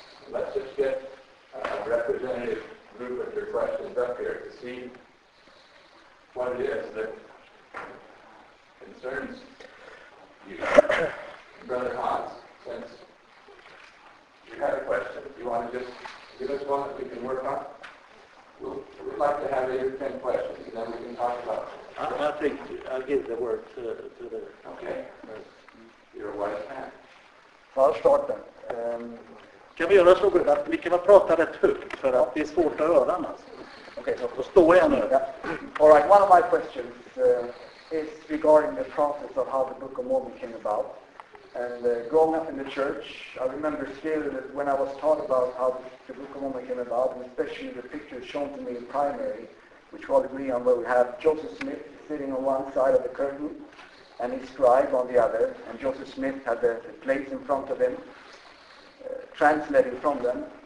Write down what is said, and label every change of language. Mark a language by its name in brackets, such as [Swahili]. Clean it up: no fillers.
[English] Let's just get a representative group of your questions up here to see what it is that concerns Brother Hans, since you had a question, do you want to just give us one that we can work on? We'd like to have 8 or 10 questions, and then we can talk about it. I think I'll give the word to the... Okay. You're a wise man. Well, I'll start then. [Swedish] Kan vi göra så att vi kan prata rätt högt, för att det är svårt att höra annars. Okay, så förstår jag nu. [English] All right, one of my questions is regarding the process of how the Book of Mormon came about. And growing up in the church, I remember still that when I was taught about how the Book of Mormon came about, and especially the picture shown to me in primary, which was agreed on, where we have Joseph Smith sitting on one side of the curtain and his scribe on the other, and Joseph Smith had the plates in front of him, translating from them.